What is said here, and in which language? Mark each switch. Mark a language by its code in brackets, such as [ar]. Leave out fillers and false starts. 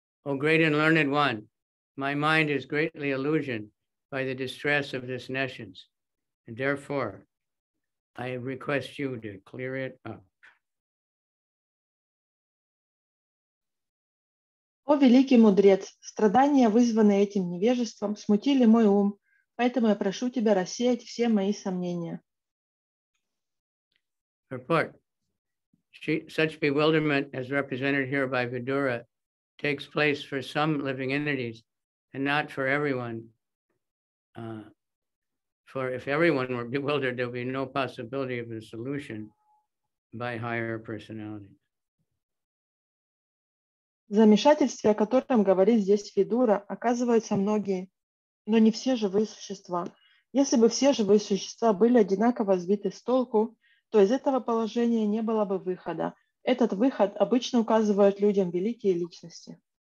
[en] O great and learned one, my mind is greatly illusioned by the distress of this nescience, and therefore I request you to clear it up. [ru] О, великий мудрец, страдания, вызванные этим невежеством, смутили мой ум, поэтому я прошу тебя рассеять все мои сомнения. [en] Report. Such bewilderment as represented here by Vidura takes place for some living entities and not for everyone. For if everyone were bewildered, there would be no possibility of a solution by higher personalities. [ru] В замешательстве, о котором говорит здесь Видура, оказываются многие, но не все живые существа. Если бы все живые существа были одинаково сбиты с толку, то из этого положения не было бы выхода. Этот выход обычно указывают людям великие личности.